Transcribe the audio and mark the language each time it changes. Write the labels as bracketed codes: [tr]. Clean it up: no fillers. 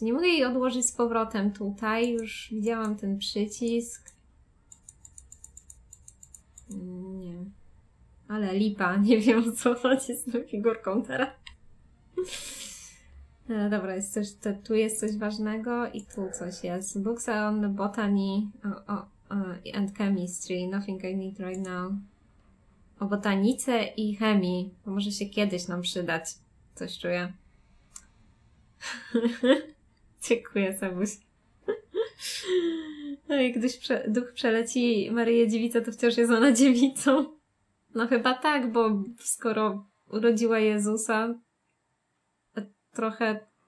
[pl] Nie mogę jej odłożyć z powrotem tutaj. Już widziałam ten przycisk. Nie. Ale lipa. Nie wiem, o co chodzi z tą figurką teraz. Dobra, jest coś, to, tu jest coś ważnego i tu coś jest. [en] Books on botany and chemistry. Nothing I need right now. [pl] O botanice i chemii. Bo może się kiedyś nam przydać. Coś czuję. Dziękuję, Sabuś. No jak gdyś duch przeleci Maryję Dziewicę, to wciąż jest ona dziewicą. No chyba tak, bo skoro urodziła Jezusa, trochę...